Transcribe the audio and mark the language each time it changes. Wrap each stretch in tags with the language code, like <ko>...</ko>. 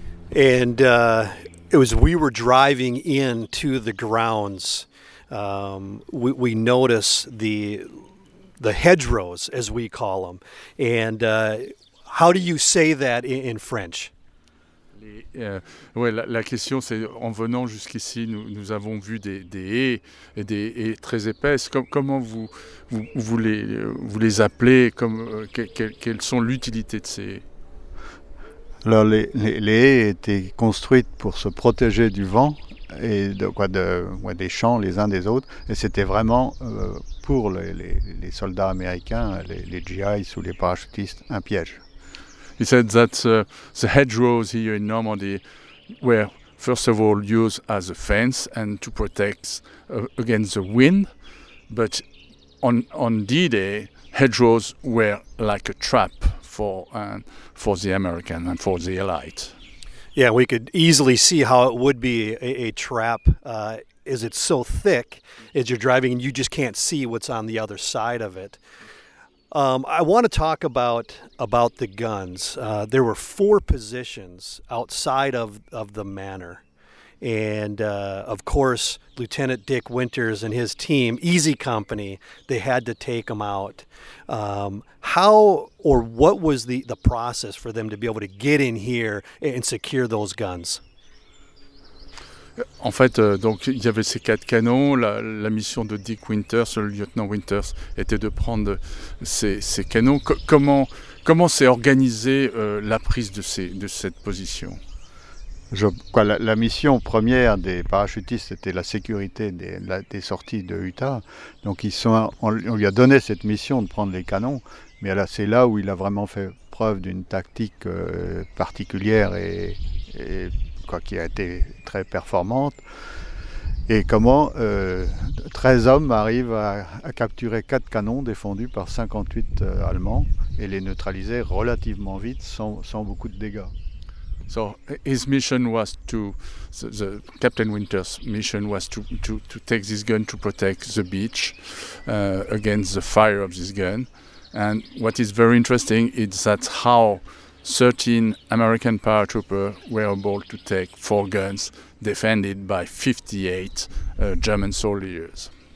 <en>And we were driving in to the grounds. We notice the hedgerows, as we call them. And how do you say that in French?</en> <fr>Ouais, la question, c'est en venant jusqu'ici, nous avons vu des haies, et des haies très épaisses. Comment vous les appelez, quelles sont l'utilité de ces haies? Alors, les haies étaient construites pour se protéger du vent et des champs les uns des autres. Et c'était vraiment pour les soldats américains, les GIs ou les parachutistes, un piège.</fr> <en>He said that the hedgerows here in Normandy were, first of all, used as a fence and to protect against the wind. But on D-Day, hedgerows were like a trap for the American and for the Allied. Yeah, we could easily see how it would be a trap. Is it so thick as you're driving and you just can't see what's on the other side of it? I want to talk about the guns. There were four positions outside of the manor. And, of course, Lieutenant Dick Winters and his team, Easy Company, they had to take them out. How or what was the process for them to be able to get in here and secure those guns?</en> <fr>En fait, donc il y avait ces quatre canons. La mission de Dick Winters, le lieutenant Winters, était de prendre ces canons. Comment s'est organisée la prise de cette position? La mission première des parachutistes était la sécurité des sorties de Utah. Donc on lui a donné cette mission de prendre les canons, mais là, c'est là où il a vraiment fait preuve d'une tactique particulière et quoi, qui a été très performante. Et comment 13 hommes arrivent à capturer 4 canons défendus par 58 Allemands et les neutraliser relativement vite sans beaucoup de dégâts.</fr> <en>So his mission was to, the Captain Winter's mission was to take this gun to protect the beach against the fire of this gun. And what is very interesting is that how 13 American paratroopers were able to take four guns defended by 58 German soldiers.</en>